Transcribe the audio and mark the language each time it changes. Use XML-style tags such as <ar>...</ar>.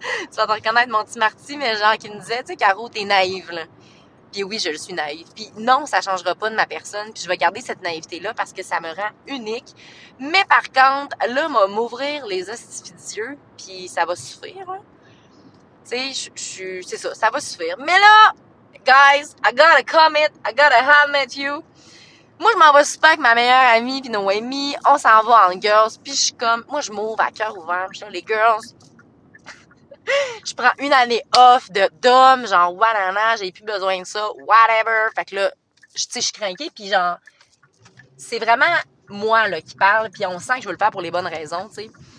<fr>Tu vas te reconnaître, mon petit Marty, mais genre, qui me disait, tu sais, Caro, t'es naïve, là. Puis oui, je le suis naïve. Puis non, ça changera pas de ma personne. Puis je vais garder cette naïveté-là parce que ça me rend unique. Mais par contre, là, m'a m'ouvrir les hosties yeux, puis ça va souffrir, là. Tu sais, c'est ça, ça va souffrir. Mais là,</fr> <en>guys, I gotta commit, I gotta admit you.</en> <fr>Moi, je m'en vais super avec ma meilleure amie, puis Noémie. On s'en va en girls, puis je suis comme... Moi, je m'ouvre à cœur ouvert, puis je suis les girls. Je prends une année off de dom, genre, wanana, j'ai plus besoin de ça, whatever. Fait que là, tu sais, je suis crinquée, puis genre... C'est vraiment moi, là, qui parle, puis on sent que je veux le faire pour les bonnes raisons, tu sais.</fr>